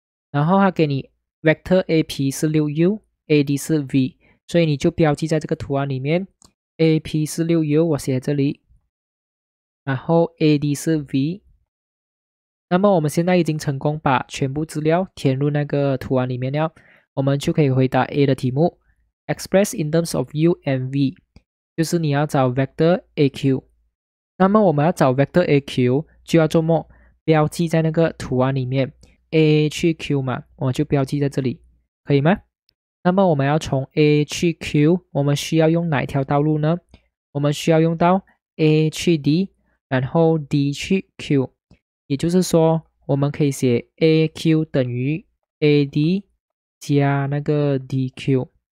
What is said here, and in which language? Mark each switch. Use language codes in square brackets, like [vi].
[zh] 然后它给你 Vector AP 是6 U， AD 是 V， 所以你就标记在这个图案里面 ，AP 是6 U， 我写在这里，然后 AD 是 V。那么我们现在已经成功把全部资料填入那个图案里面了，我们就可以回答 A 的题目。 [en] Express in terms of U and V， [zh] 就是你要找 vector AQ。那么我们要找 vector AQ 就要做么？标记在那个图案里面 A 去 Q 嘛，我就标记在这里，可以吗？那么我们要从 A 去 Q， 我们需要用哪一条道路呢？我们需要用到 A 去 D， 然后 D 去 Q， 也就是说我们可以写 AQ 等于 AD 加那个 DQ。